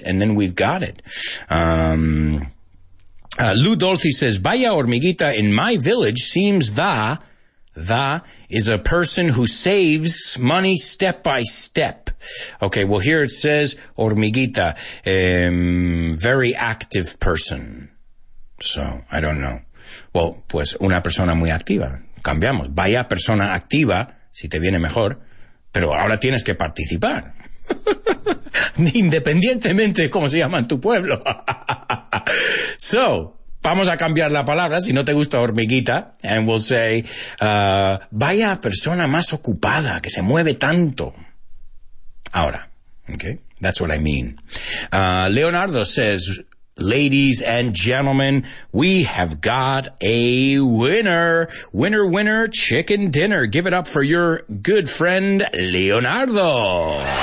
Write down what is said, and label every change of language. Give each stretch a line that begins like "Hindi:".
English: And then we've got it. Lou Dolce says,
Spanish: vaya hormiguita,
English: in my village seems the is a person who saves money step by step. Okay, well, here it says hormiguita, very active person. So I don't know.
Spanish: Well, pues una persona muy activa. Cambiamos. Vaya persona activa, si te viene mejor. Pero ahora tienes que participar. Independientemente de cómo se llama en tu pueblo.
English: So,
Spanish: vamos a cambiar la palabra, si no te gusta hormiguita.
English: And we'll say,
Spanish: vaya persona más ocupada, que se mueve tanto. Ahora.
English: Okay? That's what I mean. Leonardo says, ladies and gentlemen, we have got a winner. Winner, winner, chicken dinner. Give it up for your good friend, Leonardo.